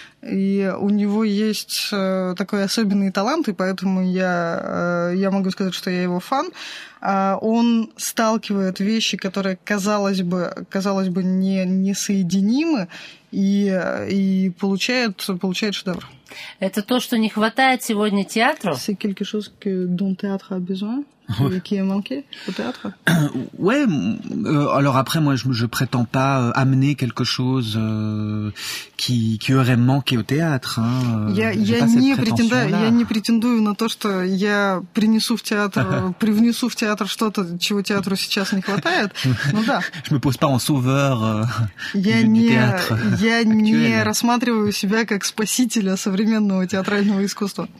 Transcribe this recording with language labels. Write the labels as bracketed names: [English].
[Russian] И у него есть такой особенный талант, и поэтому я могу сказать, что я его фан. Он сталкивает вещи, которые казалось бы несоединимы, и получает шедевр. Это то, что не хватает сегодня театру. [French] C'est quelque chose que dont théâtre a besoin. Qui est manqué au théâtre? Ouais. Alors après, moi, je prétends pas amener quelque chose qui aurait manqué au théâtre. Hein. [Russian] Я не претендую на то, что я привнесу в театр что-то, чего театру сейчас не хватает. Ну да. [French] Je me pose pas en sauveur du théâtre. [Russian] Я не рассматриваю себя как спасителя современного театрального искусства.